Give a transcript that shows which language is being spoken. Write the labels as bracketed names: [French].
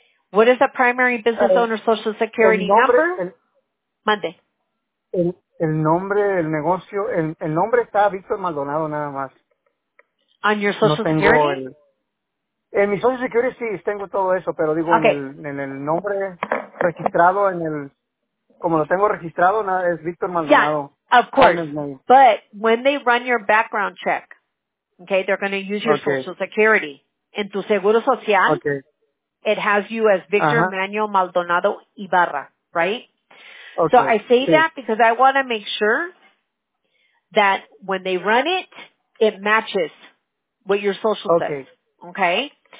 [English] What is the primary business owner social security [Spanish] el nombre, [English] number? [Spanish] Mande. El nombre, el negocio, el nombre está Victor Maldonado nada más. [English] On your social [Spanish] no [English] security? [Spanish] En mi social security sí, tengo todo eso, pero digo en el nombre registrado, como lo tengo registrado, nada, es Victor Maldonado. [English] Yeah. Of course, but when they run your background check, okay, they're going to use your social security. En tu seguro social, it has you as Victor Manuel Maldonado Ibarra, right? Okay. So I say that because I want to make sure that when they run it, it matches what your social says, okay?